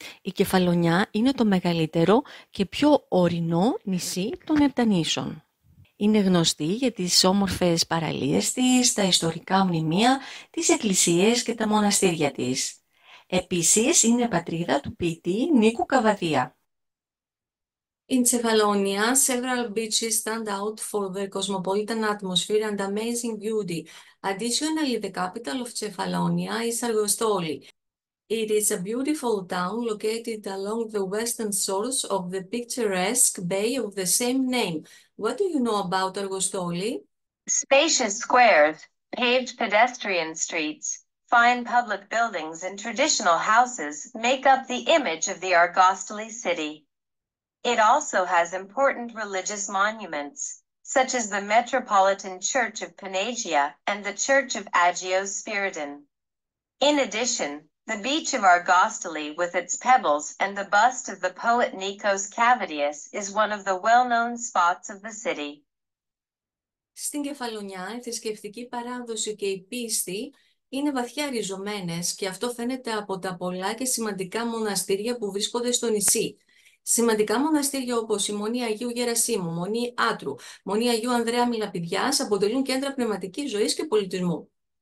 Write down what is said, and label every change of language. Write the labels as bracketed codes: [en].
[el] Η Κεφαλονιά είναι το μεγαλύτερο και πιο ορεινό νησί των Επτανήσων. Είναι γνωστή για τις όμορφες παραλίες της, τα ιστορικά μνημεία, τις εκκλησίες και τα μοναστήρια της. Επίσης, είναι πατρίδα του ποιητή Νίκου Καβαδία. [en] In Cefalonia, several beaches stand out for their cosmopolitan atmosphere and amazing beauty. Additionally, the capital of Cefalonia is Argostoli. It is a beautiful town located along the western shores of the picturesque bay of the same name. What do you know about Argostoli? Spacious squares, paved pedestrian streets, fine public buildings and traditional houses make up the image of the Argostoli city. It also has important religious monuments, such as the Metropolitan Church of Panagia and the Church of Agios Spyridon. In addition, the beach of Argostoli with its pebbles and the bust of the poet Nikos Kavadias is one of the well-known spots of the city. [el] Στην Κεφαλονιά, η θρησκευτική παράδοση και η πίστη είναι βαθιά ριζωμένες και αυτό φαίνεται από τα πολλά και σημαντικά μοναστήρια που βρίσκονται στο νησί. Σημαντικά μοναστήρια όπως η Μονή Αγίου Γερασίμου, Μονή Άτρου, Μονή Αγίου Ανδρέα Μιλαπηδιάς αποτελούν κέντρα πνευματικής ζωής και πολιτισμού.